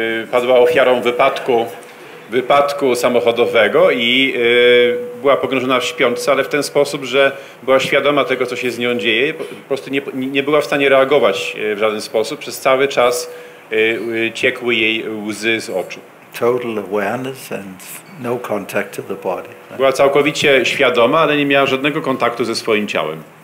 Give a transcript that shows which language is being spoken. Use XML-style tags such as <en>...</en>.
<pl>padła ofiarą wypadku samochodowego i była pogrążona w śpiączce, ale w ten sposób, że była świadoma tego, co się z nią dzieje, po prostu nie była w stanie reagować w żaden sposób. Przez cały czas ciekły jej łzy z oczu.</pl> <en>Total awareness and no contact to the body.</en> <pl>Była całkowicie świadoma, ale nie miała żadnego kontaktu ze swoim ciałem.</pl>